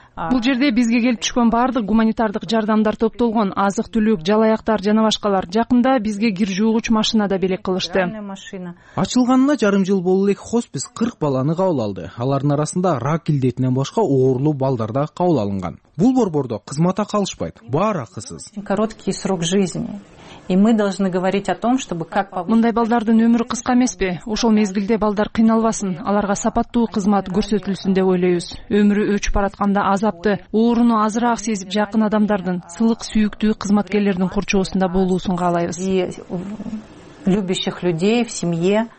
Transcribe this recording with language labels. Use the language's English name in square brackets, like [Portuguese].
[Kyrgyz] Бул жерде бизге келип түшкөн баардык гуманитардык жардамдар топтолгон, азык түлүк, жалаяктар жана башкалар. Жакында бизге кир жуугуч машина да белек кылышты. Ачылганына жарым жыл боло элек хоспис 40 баланы кабыл алды. Алардын арасында рак илдетинен башка оорулуу балдар да кабыл алынган. Бул борбордо кызмат акы алышпайт, баары акысыз. [Russian] Короткий срок жизни. И мы должны говорить о том, чтобы как повысить. [Kyrgyz] Мындай балдардын өмүрү кыска эмеспи? Ошол мезгилде балдар кыйналбасын, аларга сапаттуу кызмат көрсөтүлсүн деп ойлойбуз. Өмүрү өчүп баратканда азапты, ооруну азыраак сезип жакын адамдардын, сылык сүйүктүү кызматкерлердин корчоосунда болуусун каалайбыз. [Russian] Любящих людей в семье.